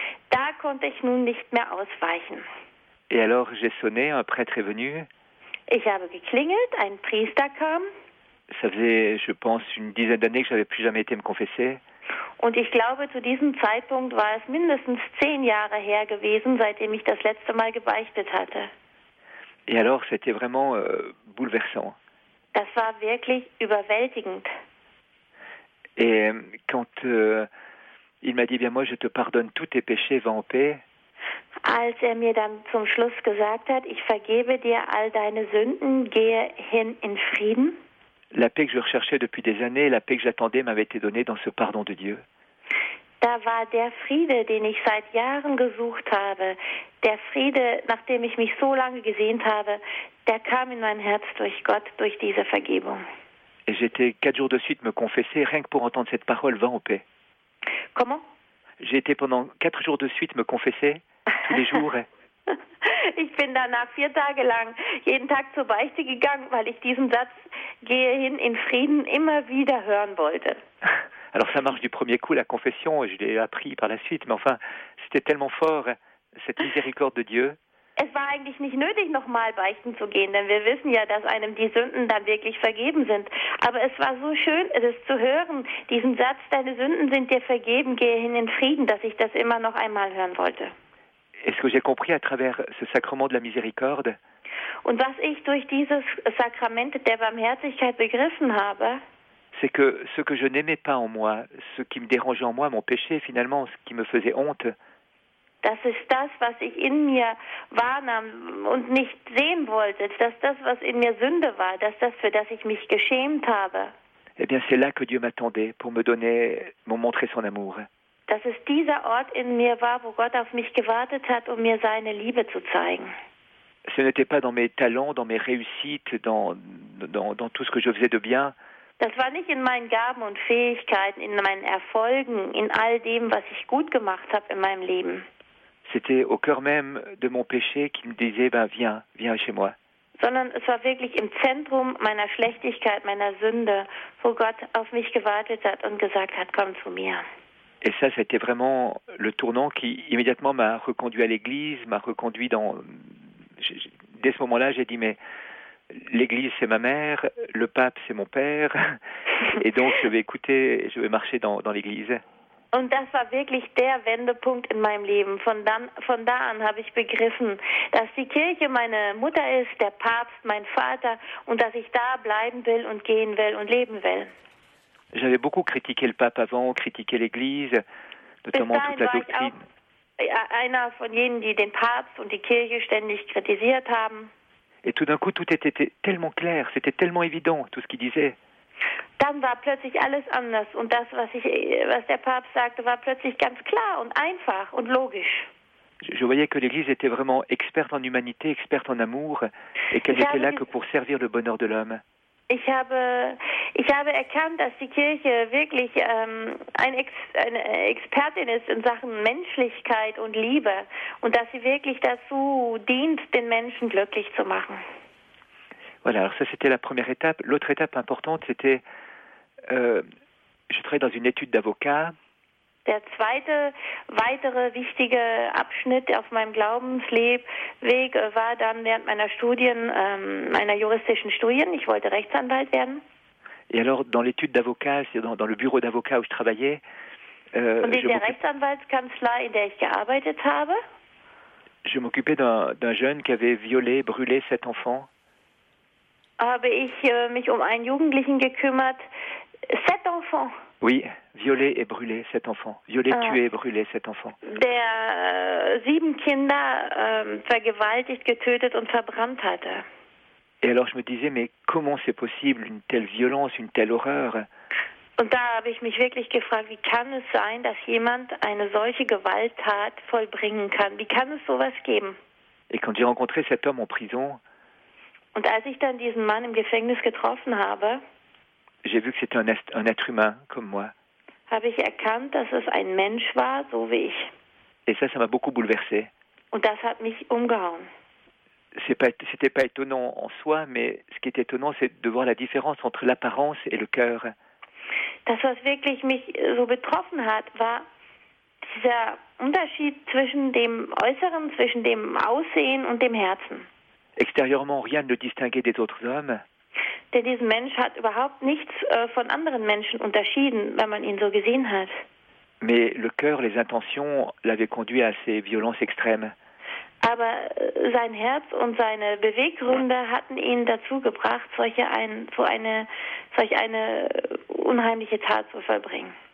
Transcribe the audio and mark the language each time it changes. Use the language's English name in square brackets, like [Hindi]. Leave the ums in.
[German] Da konnte ich nun nicht mehr ausweichen. [French] Et alors, j'ai sonné, un prêtre est venu. [German] Ich habe geklingelt, ein Priester kam [French] Ça faisait, je pense, une dizaine d'années que j'avais plus jamais été me confesser. [German] und ich glaube, zu diesem Zeitpunkt war es mindestens zehn Jahre her gewesen, seitdem ich das letzte Mal gebeichtet hatte. [French] Et alors, c'était vraiment euh, bouleversant. [German] Das war wirklich überwältigend. [French] Et euh, quand euh, il m'a dit, bien moi, je te pardonne tous tes péchés, va en paix, [German] Als er mir dann zum Schluss gesagt hat, ich vergebe dir all deine Sünden, gehe hin in Frieden, [French] la paix que je recherchais depuis des années, la paix que j'attendais m'avait été donnée dans ce pardon de Dieu. [German] da war der Friede, den ich seit Jahren gesucht habe, der Friede, nach dem ich mich so lange gesehnt habe, der kam in mein Herz durch Gott, durch diese Vergebung. [French] Et j'étais quatre jours de suite me confesser, rien que pour entendre cette parole, va en paix. Comment? J'ai été pendant quatre jours de suite me confesser, tous les jours. [German] Ich bin danach vier Tage lang jeden Tag zur Beichte gegangen, weil ich diesen Satz, gehe hin in Frieden, immer wieder hören wollte. [French] Alors ça marche du premier coup, la confession, je l'ai appris par la suite, mais enfin, c'était tellement fort, cette miséricorde de Dieu. [German] Es war eigentlich nicht nötig, nochmal beichten zu gehen, denn wir wissen ja, dass einem die Sünden dann wirklich vergeben sind. Aber es war so schön, es zu hören, diesen Satz, deine Sünden sind dir vergeben, gehe hin in Frieden, dass ich das immer noch einmal hören wollte. [French] Et ce que j'ai compris à travers ce sacrement de la miséricorde, [German] Und was ich durch dieses Sakrament der Barmherzigkeit begriffen habe, [French] c'est que ce que je n'aimais pas en moi, ce qui me dérangeait en moi, mon péché finalement, ce qui me faisait honte, [German] das ist das, was ich in mir wahrnahm und nicht sehen wollte, dass das, was in mir Sünde war, dass das, für das ich mich geschämt habe, [French] eh bien c'est là que Dieu m'attendait pour me donner, me montrer son amour. [German] dass es dieser Ort in mir war, wo Gott auf mich gewartet hat, um mir seine Liebe zu zeigen. [French] Ce n'était pas dans mes talents, dans mes réussites, dans, dans, dans tout ce que je faisais de bien, [German] Das war nicht in meinen Gaben und Fähigkeiten, in meinen Erfolgen, in all dem, was ich gut gemacht habe in meinem Leben, [French] c'était au cœur même de mon péché qui me disait, ben viens, viens chez moi. [German] sondern es war wirklich im Zentrum meiner Schlechtigkeit, meiner Sünde, wo Gott auf mich gewartet hat und gesagt hat, komm zu mir. [French] Et ça, c'était vraiment le tournant qui immédiatement m'a reconduit à l'Église, m'a reconduit dans. j'ai- j'ai- Dès ce moment-là, j'ai dit mais l'Église c'est ma mère, le pape c'est mon père, et donc je vais écouter, je vais marcher dans, dans l'Église. [German] Und das war wirklich der Wendepunkt in meinem Leben. Von, dann, von da an habe ich begriffen, dass die Kirche meine Mutter ist, der Papst mein Vater und dass ich da bleiben will und gehen will und leben will. [French] J'avais beaucoup critiqué le pape avant, critiqué l'Église, [German] Bis [French] notamment toute la [German] war ich auch [French] doctrine. [German] äh, einer von jenen, die den Papst und die Kirche ständig kritisiert haben. [French] Et tout d'un coup, tout était était tellement clair, c'était tellement évident tout ce qu'il disait. [German] Dann war plötzlich alles anders und das, was, ich, äh, was der Papst sagte, war plötzlich ganz klar und einfach und logisch. [French] Je je voyais que l'Église était vraiment experte en humanité, experte en amour, et qu'elle J'avais n'était là des- que pour servir le bonheur de l'homme. [German] Ich habe, ich habe erkannt, dass die Kirche wirklich ähm, ein Ex, eine Expertin ist in Sachen Menschlichkeit und Liebe und dass sie wirklich dazu dient, den Menschen glücklich zu machen. [French] Voilà, alors ça c'était la première étape. L'autre étape importante, c'était, euh, je travaillais dans une étude d'avocat, [German] Der zweite weitere wichtige Abschnitt auf meinem Glaubensleb Weg äh, war dann während meiner Studien, ähm, meiner juristischen Studien. Ich wollte Rechtsanwalt werden. [French] et alors dans l'étude d'avocat, c'est dans, dans le bureau d'avocat où je travaillais, euh, [German] Und [French] je [German] in der [French] m'occupais- [German] Rechtsanwaltskanzlei, in der ich gearbeitet habe, [French] je m'occupais d'un jeune qui avait violé, brûlé cet enfant. [German] Habe ich äh, mich um einen Jugendlichen gekümmert. [French] Cet enfant. Oui, violé et brûlé cet enfant. Violé, Ah. tué et brûlé cet enfant. [German] der äh, sieben Kinder ähm, vergewaltigt, getötet und verbrannt hatte. [French] Et alors je me disais, mais comment c'est possible une telle violence, une telle horreur [German] Und da habe ich mich wirklich gefragt, wie kann es sein, dass jemand eine solche Gewalttat vollbringen kann? Wie kann es sowas geben? [French] Et quand j'ai rencontré cet homme en prison, [German] Und als ich dann diesen Mann im Gefängnis getroffen habe, [French] j'ai vu que c'était un, est- un être humain comme moi. [German] habe ich erkannt, dass es ein Mensch war, so wie ich. [French] Et ça, ça m'a beaucoup bouleversé. [German] Und das hat mich umgehauen. [French] C'est pas, c'était pas étonnant en soi, mais ce qui est étonnant, c'est de voir la différence entre l'apparence et le cœur. [German] Das, was wirklich mich äh, so betroffen hat, war dieser Unterschied zwischen dem Äußeren, zwischen dem Aussehen und dem Herzen. [French] Extérieurement, rien ne le distinguait des autres hommes, [German] Denn dieser Mensch hat überhaupt nichts äh, von anderen Menschen unterschieden, wenn man ihn so gesehen hat. [French] mais le cœur, les intentions l'avaient conduit à ces violences extrêmes. [German] Aber äh, sein Herz und seine Beweggründe hatten ihn dazu gebracht, solche ein, so eine, solch eine äh, unheimliche Tat zu vollbringen.